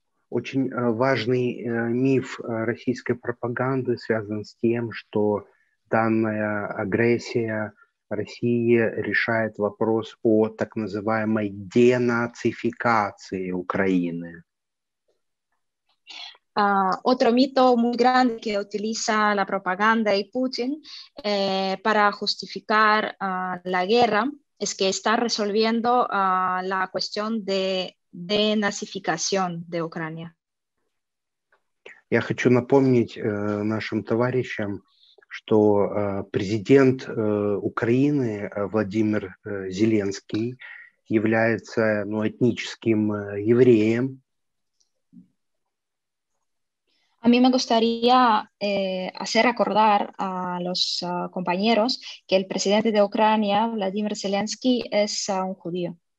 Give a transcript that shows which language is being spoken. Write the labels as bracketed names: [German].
[Russian] Очень важный миф российской пропаганды связан с тем, что данная агрессия России решает вопрос о так называемой денацификации Украины. [Spanish] Otro mito muy grande que utiliza la propaganda y Putin para justificar la guerra es que está resolviendo la cuestión de denazificación de Ucrania. [Russian] Я хочу напомнить нашим товарищам, что президент Украины Владимир Зеленский является этническим евреем. [Spanish] A mí me gustaría hacer acordar a los compañeros que el presidente de Ucrania, Владимир Зеленский, es un judío.